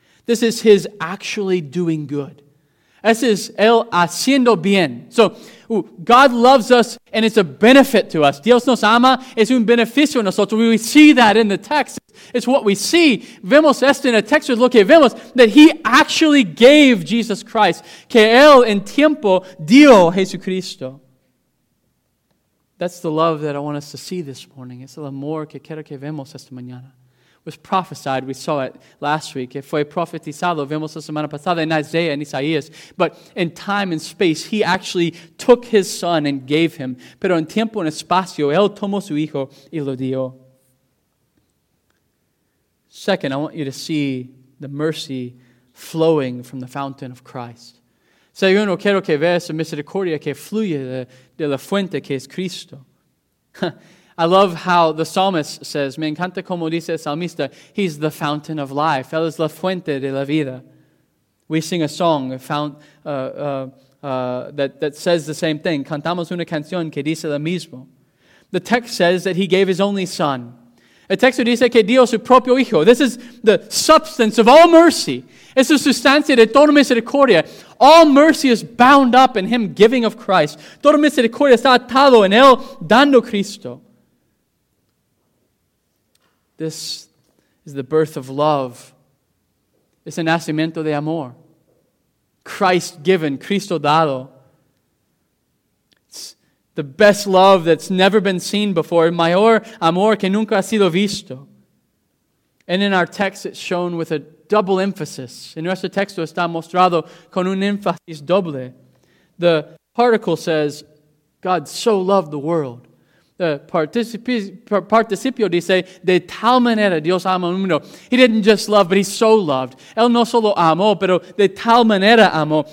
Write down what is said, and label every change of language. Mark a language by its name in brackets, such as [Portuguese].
[English] This is his actually doing good. This is [Spanish] el haciendo bien. [English] So, God loves us and it's a benefit to us. [Spanish] Dios nos ama, es un beneficio a nosotros. [English] We see that in the text. It's what we see. [Spanish] Vemos esto en el texto, lo que vemos, [English] that he actually gave Jesus Christ. [Spanish] Que él en tiempo dio Jesucristo. [English] That's the love that I want us to see this morning. [Spanish] Es el amor que quiero que vemos esta mañana. [English] Was prophesied, we saw it last week. [Spanish] It fue profetizado, vemos la semana pasada en Isaiah and Isaías. [English] But in time and space, he actually took his son and gave him. [Spanish] Pero en tiempo y espacio, él tomó su hijo y lo dio. [English] Second, I want you to see the mercy flowing from the fountain of Christ. [Spanish] Segundo, quiero que veas la misericordia que fluye de la fuente que es Cristo. [English] I love how the psalmist says, [Spanish] me encanta como dice el salmista, [English] he's the fountain of life. [Spanish] Él es la fuente de la vida. [English] We sing a song that says the same thing. [Spanish] Cantamos una canción que dice lo mismo. [English] The text says that he gave his only son. [Spanish] El texto dice que dio su propio hijo. [English] This is the substance of all mercy. [Spanish] Es la sustancia de toda misericordia. [English] All mercy is bound up in him giving of Christ. [Spanish] Toda misericordia está atado en él dando Cristo. [English] This is the birth of love. [Spanish] Es el nacimiento de amor. [English] Christ given, [Spanish] Cristo dado. [English] It's the best love that's never been seen before. [Spanish] El mayor amor que nunca ha sido visto. [English] And in our text, it's shown with a double emphasis. [Spanish] En nuestro texto está mostrado con un énfasis doble. [English] The particle says, God so loved the world. [Spanish] Participio dice, de tal manera Dios ama al mundo. [English] He didn't just love, but he so loved. [Spanish] Él no solo amó, pero de tal manera amó.